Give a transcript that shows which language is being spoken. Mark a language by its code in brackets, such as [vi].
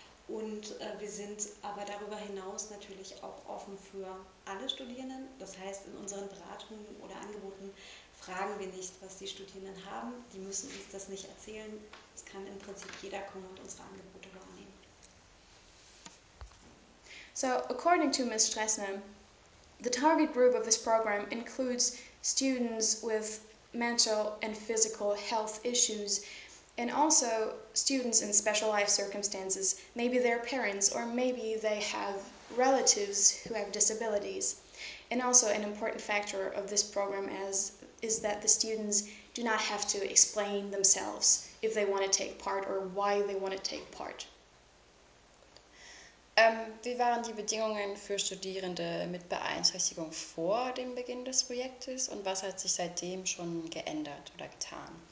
[de] Und wir sind aber darüber hinaus natürlich auch offen für alle Studierenden. Das heißt, in unseren Beratungen oder Angeboten fragen wir nicht, was die Studierenden haben. Die müssen uns das nicht erzählen. Es kann im Prinzip jeder kommen und unsere Angebote wahrnehmen. [en] So, according to Ms. Sträßner, the target group of this program includes students with mental and physical health issues, and also students in special life circumstances, maybe their parents, or maybe they have relatives who have disabilities. And also an important factor of this program is that the students do not have to explain themselves if they want to take part or why they want to take part. [de] Wie waren die Bedingungen für Studierende mit Beeinträchtigung vor dem Beginn des Projektes und was hat sich seitdem schon geändert oder getan?